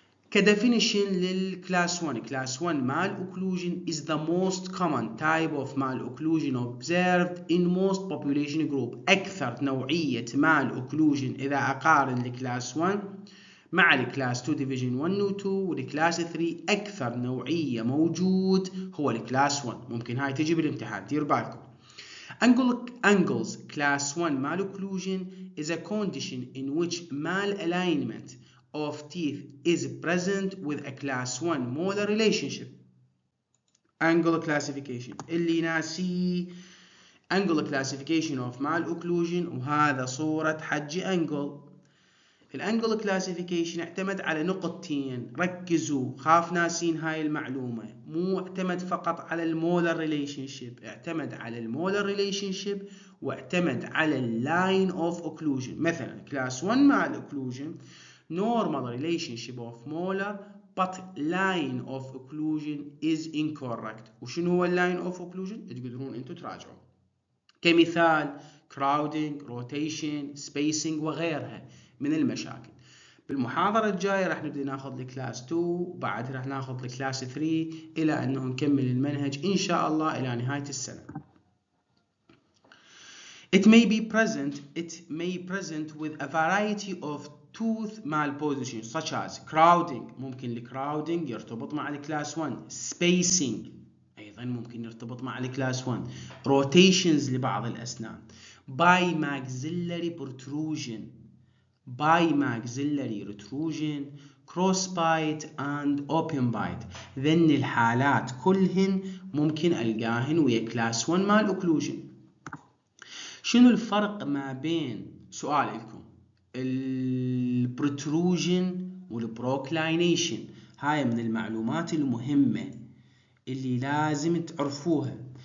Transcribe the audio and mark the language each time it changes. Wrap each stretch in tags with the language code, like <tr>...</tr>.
<ar>كديفينيشن للكلاس 1،</ar> <en>class 1 malocclusion is the most common type of malocclusion observed in most population group,</en> <ar>اكثر نوعيه مال اوكلوجين اذا اقارن الكلاس 1 مع الكلاس 2 ديفيجن 1 و 2 والكلاس 3، أكثر نوعية موجود هو الكلاس 1. ممكن هاي تجي بالامتحان، دير بالكم.</ar> <en>Angles class 1 mal occlusion is a condition in which malalignment of teeth is present with a class 1 molar relationship.</en> <ar>Angle classification، اللي ناسي Angle classification of mal occlusion، وهذا صورة حجي Angle. الانجل كلاسيفيكيشن اعتمد على نقطتين، ركزوا خاف ناسين هاي المعلومه، مو اعتمد فقط على المولر ريليشن شيب، اعتمد على المولر ريليشن شيب واعتمد على اللاين اوف اوكلوجن. مثلا كلاس 1 مع الاوكلوجن</ar> <en>normal relationship of molar but line of occlusion is incorrect.</en> <ar>وشنو هو line of occlusion؟ تقدرون انتو تراجعوا. كمثال crowding, rotation, spacing وغيرها من المشاكل. بالمحاضرة الجاية راح نبدأ ناخذ الكلاس 2، بعدها راح ناخذ الكلاس 3 إلى أنه نكمل المنهج إن شاء الله إلى نهاية السنة.</ar> <en>It may be present. It may present with a variety of tooth malposition such as crowding.</en> <ar>ممكن الكراودينج يرتبط مع الكلاس 1. Spacing أيضا ممكن يرتبط مع الكلاس 1. Rotations لبعض الأسنان.</ar> <en>Bimaxillary protrusion. Bimaxillary retrusion. Cross bite and open bite.</en> <ar>ذن الحالات كلهن ممكن ألقاهن ويا كلاس 1 مال أوكلوجن. شنو الفرق ما بين سؤال لكم البروتروجن والبروكلاينيشن؟ هاي من المعلومات المهمة اللي لازم تعرفوها.</ar>